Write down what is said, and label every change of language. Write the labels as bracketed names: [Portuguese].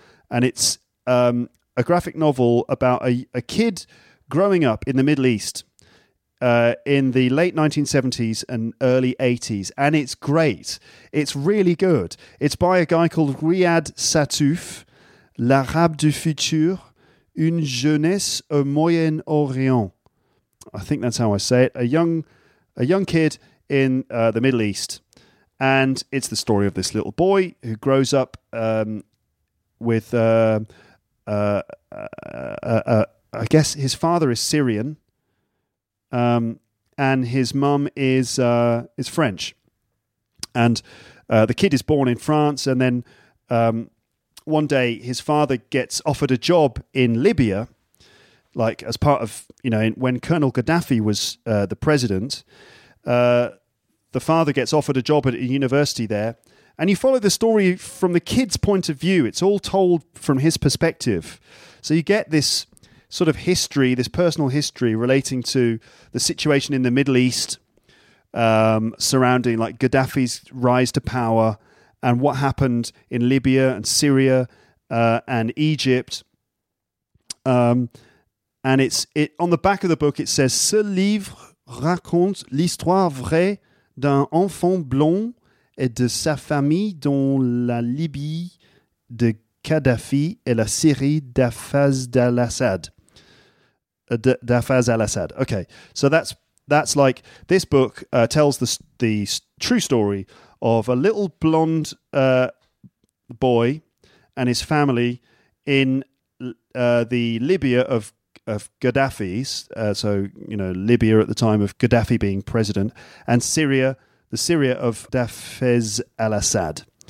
[English] And it's a graphic novel about a kid growing up in the Middle East in the late 1970s and early 80s. And it's great. It's really good. It's by a guy called Riyad Satouf. [French] L'Arabe du Futur, une jeunesse au Moyen-Orient. [English] I think that's how I say it. A young kid in the Middle East. And it's the story of this little boy who grows up with, I guess his father is Syrian, and his mum is French. And the kid is born in France, and then one day his father gets offered a job in Libya, like as part of, you know, when Colonel Gaddafi was the president. The father gets offered a job at a university there. And you follow the story from the kid's point of view. It's all told from his perspective. So you get this sort of history, this personal history relating to the situation in the Middle East, surrounding like Gaddafi's rise to power and what happened in Libya and Syria and Egypt. And it's on the back of the book, it says, [French] "Ce livre raconte l'histoire vraie d'un enfant blond et de sa famille dans la Libye de Kadhafi et la Syrie d'Afaz al-Assad." D'Afaz al-Assad. [English] Okay, so that's like this book tells the true story of a little blonde boy and his family in the Libya of Gaddafi's, so, you know, Libya at the time of Gaddafi being president, and Syria, the Syria of Hafez al-Assad.